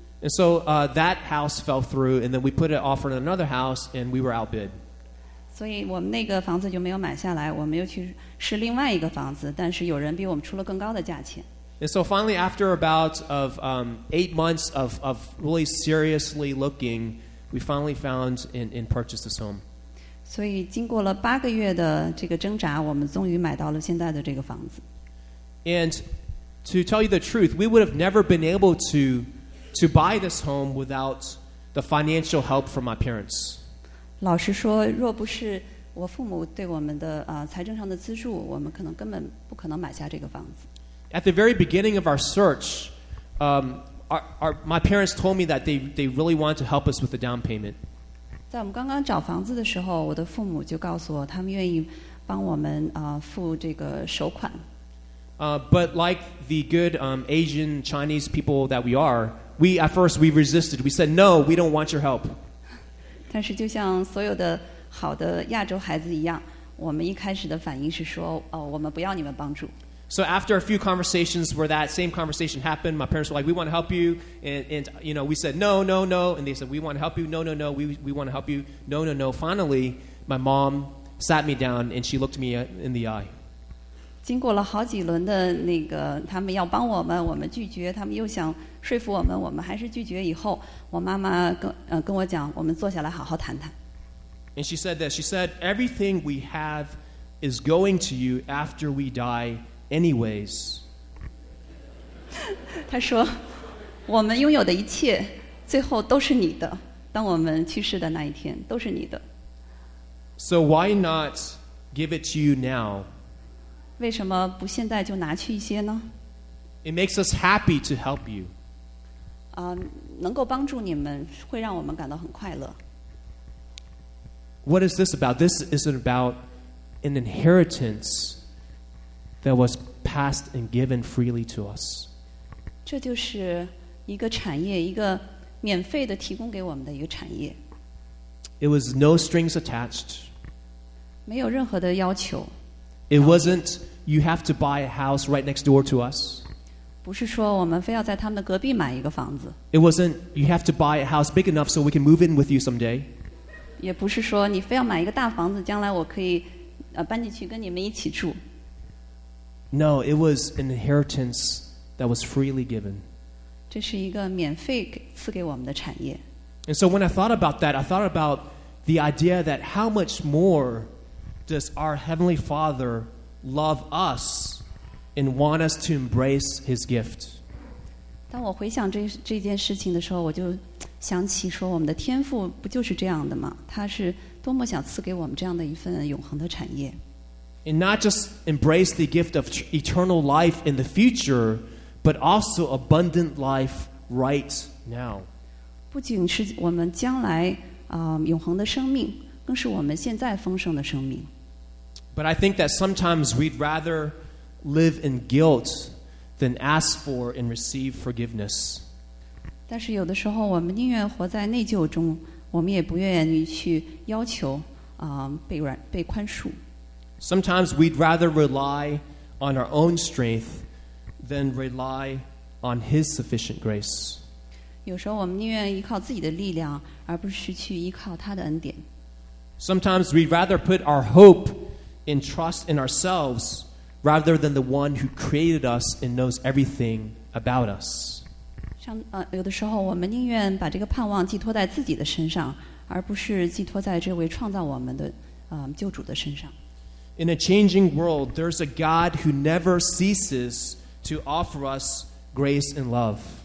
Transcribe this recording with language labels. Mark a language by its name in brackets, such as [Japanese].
[English] And so that house fell through, and then we put an offer on another house, and we were outbid. [Chinese] 所以我们那个房子就没有买下来，我们又去试另外一个房子，但是有人比我们出了更高的价钱。 [English] And so finally, after about of 8 months of really seriously looking, we finally found and purchased this home. [Chinese] 所以经过了八个月的这个挣扎，我们终于买到了现在的这个房子。 [English] And to tell you the truth, we would have never been able to buy this home without the financial help from my parents. [Chinese] 老实说，若不是我父母对我们的财政上的资助，我们可能根本不可能买下这个房子。 [English] At the very beginning of our search, my parents told me that they really wanted to help us with the down payment. [Chinese] 在我们刚刚找房子的时候，我的父母就告诉我，他们愿意帮我们付这个首款。 [English] But like the good Asian Chinese people that we are,At first we resisted. We said, no, we don't want your help. [Chinese] 但是就像所有的好的亚洲孩子一样，我们一开始的反应是说，哦，我们不要你们帮助。 [English] So after a few conversations where that same conversation happened, my parents were like, we want to help you. And you know, we said, no, no, no. And they said, we want to help you. No, no, no. We want to help you. No, no, no. Finally, my mom sat me down and she looked me in the eye. [Chinese] 经过了好几轮的那个，他们要帮我们，我们拒绝；他们又想说服我们，我们还是拒绝。以后，我妈妈跟我讲，我们坐下来好好谈谈。 [English] And she said that she said everything we have is going to you after we die, anyways. [Chinese] 她说，我们拥有的一切，最后都是你的。当我们去世的那一天，都是你的。 [English] So why not give it to you now? [Chinese] 为什么不现在就拿去一些呢 [English] ？It makes us happy to help you. [Chinese] 能够帮助你们会让我们感到很快乐。 [English] What is this about? This isn't about an inheritance that was passed and given freely to us. [Chinese] 这就是一个产业，一个免费的提供给我们的一个产业。 [English] It was no strings attached. [Chinese] 没有任何的要求。 [English] It wasn't you have to buy a house right next door to us. [Chinese] 不是说我们非要在他们的隔壁买一个房子。 [English] It wasn't, you have to buy a house big enough so we can move in with you someday. [Chinese] 也不是说你非要买一个大房子将来我可以搬进去跟你们一起住。 [English] No, it was an inheritance that was freely given. [Chinese] 这是一个免费赐给我们的产业。 [English] And so when I thought about that, I thought about the idea that how much more does our Heavenly Father love us and want us to embrace His gift? [Chinese] 当我回想这件事情的时候，我就想起说，我们的天父不就是这样的吗？他是多么想赐给我们这样的一份永恒的产业。 [English] And not just embrace the gift of eternal life in the future, but also abundant life right now. [Chinese] 不仅是我们将来永恒的生命，更是我们现在丰盛的生命。 [English] But I think that sometimes we'd rather live in guilt than ask for and receive forgiveness. [Chinese] 但是有的时候我们宁愿活在内疚中，我们也不愿意去要求被宽恕。 [English] Sometimes we'd rather rely on our own strength than rely on His sufficient grace. [Chinese] 有时候我们宁愿依靠自己的力量，而不是去依靠他的恩典。 [English] Sometimes we'd rather put our hope and trust in ourselves rather than the one who created us and knows everything about us. [Chinese] 有的时候我们宁愿把这个盼望寄托在自己的身上，而不是寄托在这位创造我们的救主的身上。 [English] In a changing world, there's a God who never ceases to offer us grace and love.